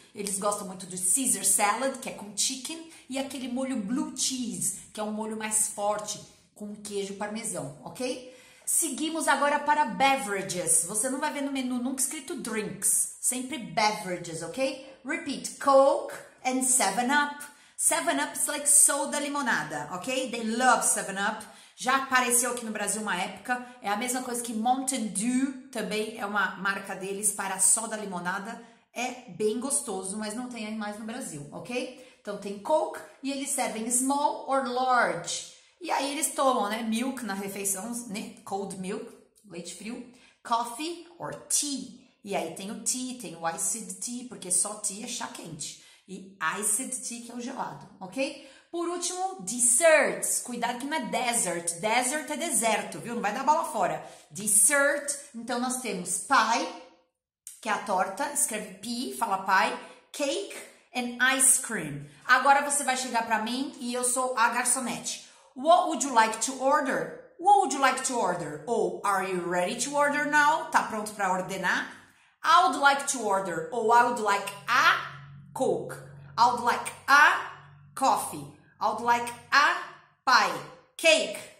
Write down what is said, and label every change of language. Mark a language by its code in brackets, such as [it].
[pt] Eles gostam muito do Caesar salad, que é com chicken. E aquele molho blue cheese, que é um molho mais forte, com queijo parmesão, ok? Seguimos agora para beverages. Você não vai ver no menu nunca escrito drinks. [en] Sempre beverages, ok? Repeat, Coke and 7-Up. 7-Up is like [pt] soda limonada, [en] ok? They love 7-Up. [pt] Já apareceu aqui no Brasil uma época. É a mesma coisa que Mountain Dew, também é uma marca deles para soda limonada. É bem gostoso, mas não tem animais no Brasil, ok? Então tem Coke e eles servem small or large. E aí eles tomam, né? Milk na refeição, né? [en] Cold milk, [pt] leite frio. [en] Coffee or tea. [pt] E aí tem o tea, tem o iced tea, porque só tea é chá quente. E iced tea que é o gelado, ok? Por último, desserts. Cuidado que não é desert. Desert é deserto, viu? Não vai dar bala fora. Dessert. Então nós temos pie, que é a torta. Escreve pie, fala pie. [en] Cake and ice cream. [pt] Agora você vai chegar pra mim e eu sou a garçonete. [en] What would you like to order? What would you like to order? Ou are you ready to order now? [pt] Tá pronto pra ordenar? [en] I would like to order, ou I would like a Coke. I would like a coffee. I would like a pie. Cake.